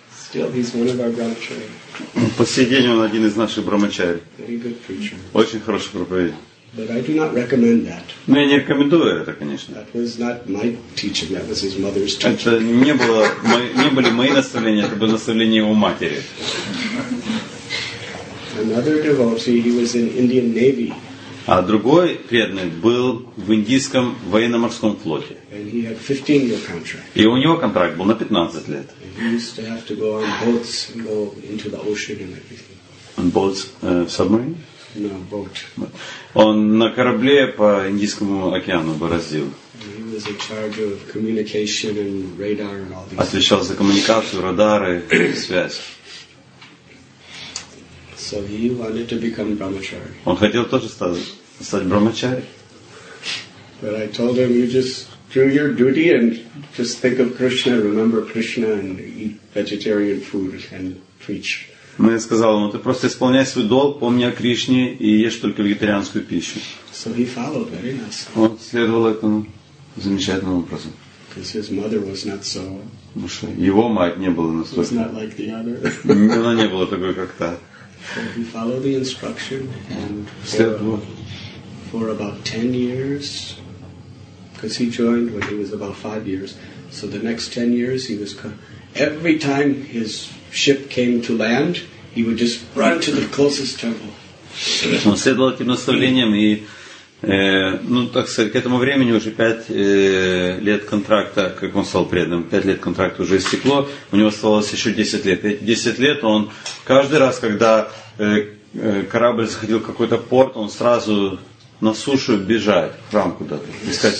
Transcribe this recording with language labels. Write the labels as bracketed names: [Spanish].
[English] Still, he's one of our brahmachari. [Russian] По сей день он один из наших брахмачари. Очень хороший проповедник. [English] But I do not recommend that. [Russian] Но я не рекомендую это, конечно. [English] That was not my teaching, that was his mother's teaching. [Russian] Это не были мои наставления, это было наставление его матери. [English] Another devotee, he was in Indian Navy. [Russian] А другой преданный был в индийском военно-морском флоте. [English] And he had 15-year contract. [Russian] И у него контракт был на 15 лет. [English] And he used to have to go on boats and go into the ocean and everything. On boats, submarine? No, boat. [Russian] Он на корабле по Индийскому океану бороздил. [English] He was in charge of communication and radar and all these. [Russian] Отвечал за коммуникацию, радары, связь. [English] So he wanted to become brahmachari. [Russian] Он хотел тоже стать брахмачари. [English] But I told him, you just do your duty and just think of Krishna, remember Krishna, and eat vegetarian food and preach. [Russian] Но я сказал ему, ты просто исполняй свой долг, помни о Кришне и ешь только вегетарианскую пищу. [English] So he followed, very nice. [Russian] Он следовал этому замечательным образом. [English] Because his mother was not so. [Russian] Потому что его мать не была настолько. [English] Was not like the other. [Russian] Она не была такой, как та. [English] So he followed the instruction and for about 10 years, because he joined when he was about 5 years. So the next 10 years he was every time his ship came to land, he would just run to the closest temple. [Russian] Он следовал этим наставлениям, и ну так сказать, к этому времени уже 5 лет контракта, как он стал преданным, 5 лет контракта уже истекло, у него оставалось еще 10 лет. Эти 10 лет он каждый раз, когда корабль заходил в какой-то порт, он сразу на сушу бежал в храм куда-то, искать